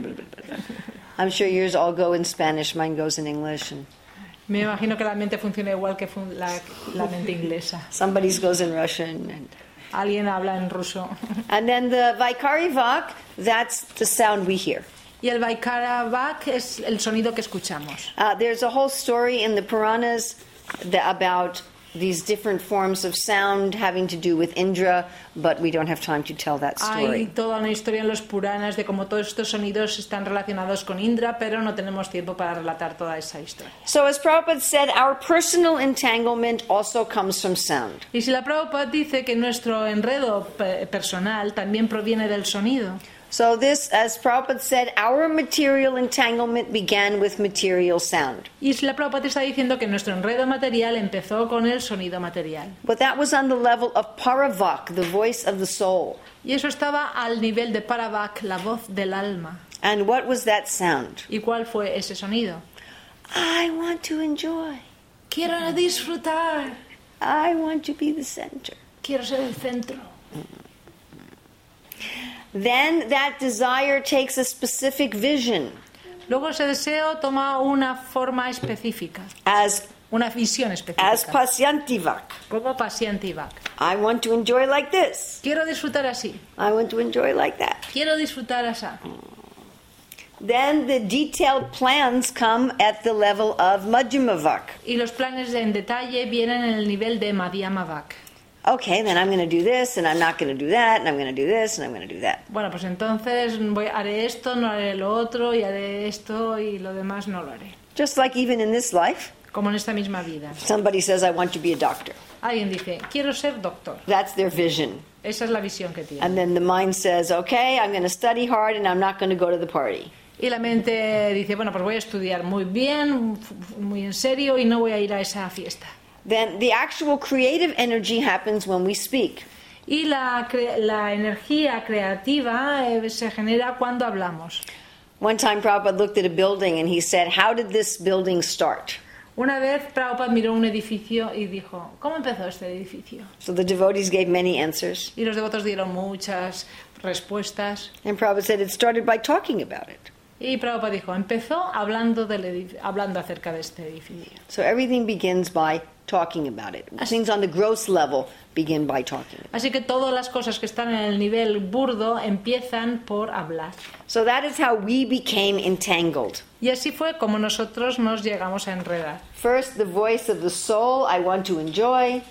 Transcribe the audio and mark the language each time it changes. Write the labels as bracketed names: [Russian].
[English] blah. I'm sure yours all go in Spanish, mine goes in English. [Spanish] Me imagino que la mente funciona igual que la mente inglesa. [English] Somebody goes in Russian. [Spanish] Alguien habla en ruso. [English] And then the Vaikari Vak, that's the sound we hear. [Spanish] Y el Vaikari Vak es el sonido que escuchamos. [English] There's a whole story in the Puranas about these different forms of sound having to do with Indra, but we don't have time to tell that story. [Spanish] Hay toda una historia en los Puranas de cómo todos estos sonidos están relacionados con Indra, pero no tenemos tiempo para relatar toda esa historia. [English] So as Prabhupada said, our personal entanglement also comes from sound. [Spanish] Y si la Prabhupada dice que nuestro enredo personal también proviene del sonido. [English] So this, as Prabhupada said, our material entanglement began with material sound. [Spanish] Y la Prabhupada está diciendo que nuestro enredo material empezó con el sonido material. [English] But that was on the level of Paravak, the voice of the soul. [Spanish] Y eso estaba al nivel de Paravak, la voz del alma. [English] And what was that sound? [Spanish] ¿Y cuál fue ese sonido? [English] I want to enjoy. [Spanish] Quiero disfrutar. [English] I want to be the center. [Spanish] Quiero ser el centro. [English] Then that desire takes a specific vision. [Spanish] Luego ese deseo toma una forma específica. [English] As [Spanish] una visión específica. [English] As pasyantivak. [Spanish] Como pasyantivak. [English] I want to enjoy like this. [Spanish] Quiero disfrutar así. [English] I want to enjoy like that. [Spanish] Quiero disfrutar así. [English] Then the detailed plans come at the level of madhyamavak. [Spanish] Y los planes en detalle vienen en el nivel de madhyamavak. [English] Okay, then I'm going to do this, and I'm not going to do that, and I'm going to do this, and I'm going to do that. [Spanish] Bueno, pues entonces haré esto, no haré lo otro, y haré esto, y lo demás no lo haré. [English] Just like even in this life. [Spanish] Como en esta misma vida. [English] Somebody says, I want to be a doctor. [Spanish] Alguien dice, quiero ser doctor. [English] That's their vision. [Spanish] Esa es la visión que tiene. [English] And then the mind says, okay, I'm going to study hard, and I'm not going to go to the party. [Spanish] Y la mente dice, bueno, pues voy a estudiar muy bien, muy en serio, y no voy a ir a esa fiesta. [English] Then the actual creative energy happens when we speak. [Spanish] Y la energía creativa se genera cuando hablamos. [English] One time Prabhupada looked at a building and he said, how did this building start? [Spanish] Una vez Prabhupada miró un edificio y dijo, ¿cómo empezó este edificio? [English] So the devotees gave many answers. [Spanish] Y los devotos dieron muchas respuestas. [English] And Prabhupada said, it started by talking about it. [Spanish] Y Prabhupada dijo, empezó hablando hablando acerca de este edificio. [English] So everything begins by talking about it. Things on the gross level begin by talking. [Spanish] Así que todas las cosas que están en el nivel burdo empiezan por hablar. [English] So that is how we became entangled. [Spanish] Y así fue como nosotros nos llegamos a enredar. [English] First the voice of the soul, I want to enjoy.